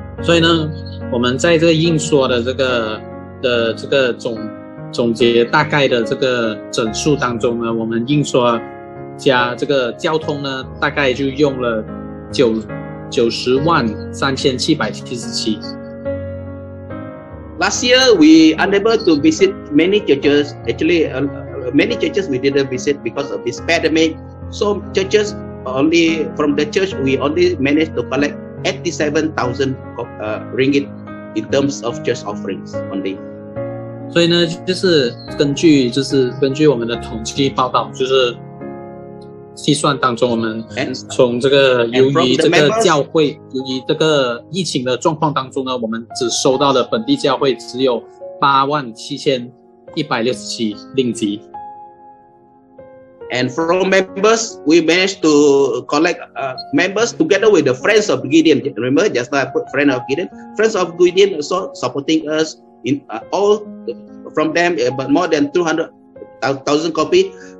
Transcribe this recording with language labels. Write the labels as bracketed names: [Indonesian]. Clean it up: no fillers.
[Chinese] 所以呢，我们在这个印刷的这个总结大概的这个整数当中呢，我们印刷加这个交通呢，大概就用了90,003,777。 [English] Last year we unable to visit many churches. Actually, many churches we didn't visit because of this pandemic. So churches only from the church we only managed to collect 87,000 ringgit in terms of just offerings only. [Chinese] 所以呢，就是根据就是根据我们的统计报告，就是计算当中，我们从这个由于这个教会由于这个疫情的状况当中呢，我们只收到了本地教会只有87,167令吉。 [English] And from members, we managed to collect members together with the friends of Gideon. Remember, just now I put friend of Gideon. Friends of Gideon also supporting us in all from them, but more than 200,000 copies.